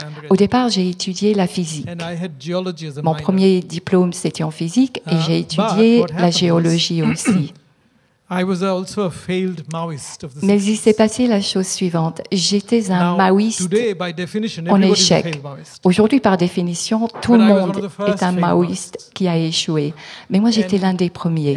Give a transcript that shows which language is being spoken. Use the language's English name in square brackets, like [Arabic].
[French] Au départ, j'ai étudié la physique. Mon premier diplôme, c'était en physique, et j'ai étudié la géologie aussi. [English] I was also a failed Maoist of the [French] 60s. Mais il s'est passé la chose suivante. J'étais un Maoïste [English] today, [French] en échec. Aujourd'hui, par définition, tout le monde est un Maoïste qui a échoué. Mais moi, j'étais l'un des premiers.